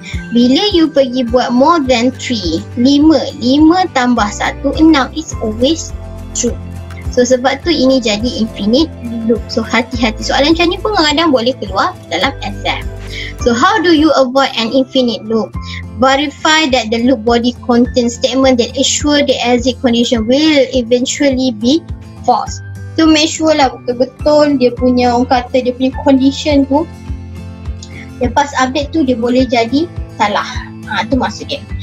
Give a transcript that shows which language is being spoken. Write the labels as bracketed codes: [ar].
[en] Bila you pergi buat more than 3, 5 tambah 1, 6 is always true. So, [ms] So sebab tu ini jadi infinite loop. So hati-hati, soalan macam ni pun kadang-kadang boleh keluar dalam SM. [en] So how do you avoid an infinite loop? Verify that the loop body contains statement that assure the exit condition will eventually be false. [ms] So [en] make sure [ms] lah betul-betul dia punya, orang kata dia punya condition tu lepas update tu dia boleh jadi salah. Ha, tu maksud dia.